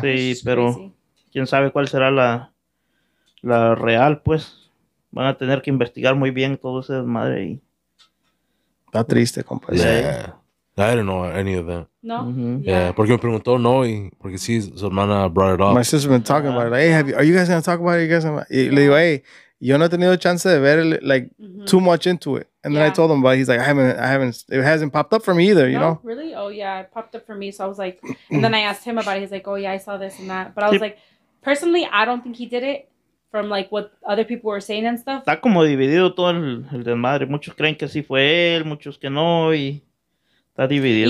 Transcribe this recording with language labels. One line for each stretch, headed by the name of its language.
Spanish: Sí, pero quién sabe cuál será la real, pues. Van a tener que investigar muy bien todo ese madre ahí. Está triste, compadre.
English: Yeah. I don't know any of that.
Spanish: No. Yeah, porque me preguntó no y porque sí su hermana
English: brought it up. My sister's been talking about it. Like, hey, are you guys going to talk about it?
Spanish: Le digo, hey, yo no he tenido chance de ver,
English: like, too much into it. And then I told him, but he's like, it hasn't popped up for me either, you know? Really? Oh, yeah, it popped up for me. So I was like, and then I asked him about it. He's like, oh, yeah, I saw this and that. But I was like, personally, I don't think he did it from, like, what other people were saying and stuff.
Spanish: Está como dividido todo el desmadre. Muchos creen que sí fue él, muchos que no, y está dividido.